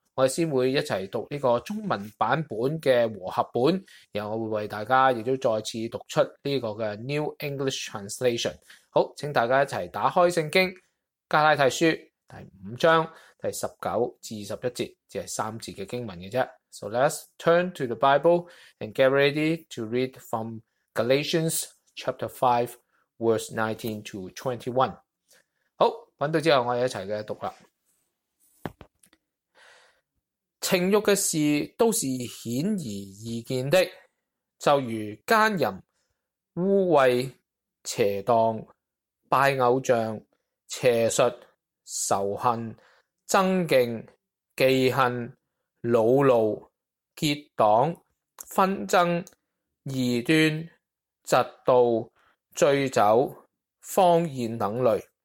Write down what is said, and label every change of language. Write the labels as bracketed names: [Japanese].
[Cantonese] 我先会一齐读呢个中文版本嘅和合本，然后我会为大家亦都再次读出呢个嘅 New English Translation。好，请大家一齐打开圣经加拉太书第五章第19至21节，只系三节嘅经文嘅啫。 [English] So let's turn to the Bible and get ready to read from Galatians chapter 5, verse 19 to 21。 [Cantonese] 好，揾到之后我哋一齐嘅读啦。情欲嘅事都是显而易见的，就如奸淫、污秽、邪荡、拜偶像、邪术、仇恨、憎敬、记恨、恼怒、结党、纷争、异端、嫉妒、醉酒、荒宴等类。